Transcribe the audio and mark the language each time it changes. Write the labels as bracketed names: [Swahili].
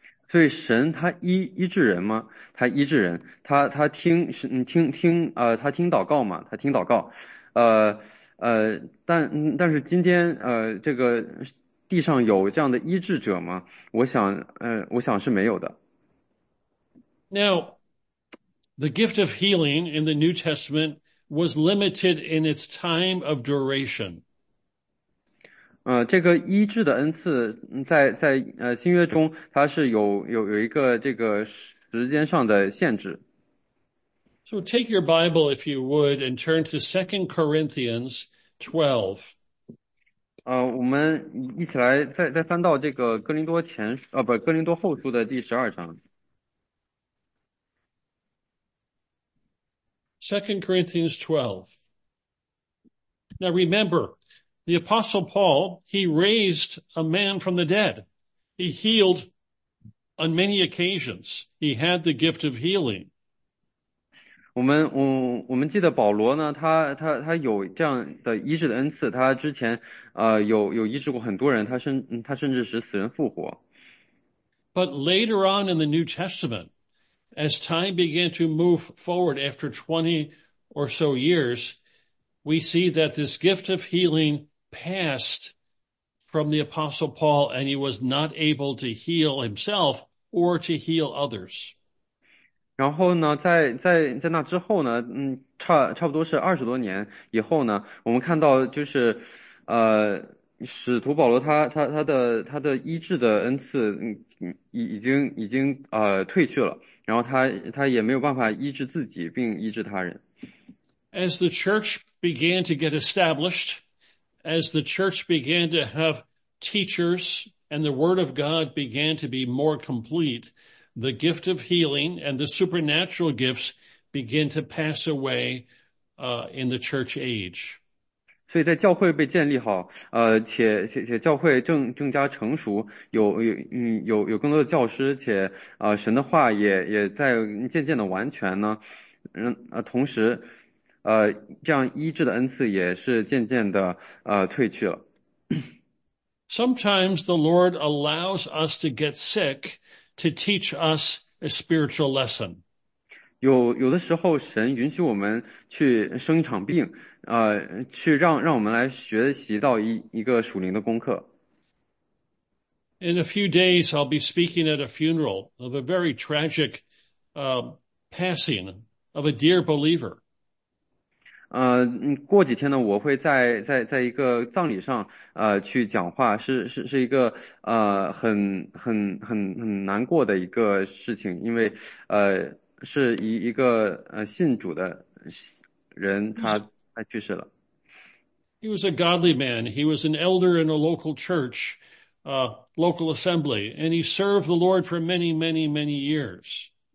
[Chinese] 所以神他医治人吗？他医治人，他听是你听听他听祷告嘛，他听祷告，但是今天这个地上有这样的医治者吗？我想是没有的。 [English] Now, the gift of healing in the New Testament was limited in its time of duration. [Chinese] 这个医治的恩赐在新约中，它是有一个这个时间上的限制。 [English] So take your Bible, if you would, and turn to 2 Corinthians 12. [Chinese] 我们一起来再翻到这个哥林多前，不，哥林多后书的第12章。 [English] 2 Corinthians 12. Now remember, the Apostle Paul, he raised a man from the dead. He healed on many occasions. He had the gift of healing. [Chinese] 我们记得保罗呢，他有这样的医治的恩赐，他之前有医治过很多人，他甚至使死人复活。 [English] But later on in the New Testament, as time began to move forward after 20 or so years, we see that this gift of healing passed from the Apostle Paul, and he was not able to heal himself or to heal others. [Chinese] 然后呢，在那之后呢，差不多是20多年以后呢，我们看到就是，使徒保罗他的医治的恩赐，已经褪去了，然后他也没有办法医治自己，并医治他人。 [English] As the church began to get established, as the church began to have teachers and the word of God began to be more complete, the gift of healing and the supernatural gifts began to pass away, in the church age. [Chinese] 所以在教会被建立好，且教会更加成熟，有更多的教师，且神的话也在渐渐的完全呢，同时，这样医治的恩赐也是渐渐的褪去了。 [English] Sometimes the Lord allows us to get sick to teach us a spiritual lesson. [Chinese] 有的时候，神允许我们去生一场病，去让我们来学习到一个属灵的功课。 [English] In a few days, I'll be speaking at a funeral of a very tragic, passing of a dear believer. [Chinese] 过几天呢，我会在一个葬礼上，去讲话，是一个很难过的一个事情，因为是一个信主的人，他去世了。 [English] He was a godly man. He was an elder in a local church, local assembly, and he served the Lord for many, many, many years.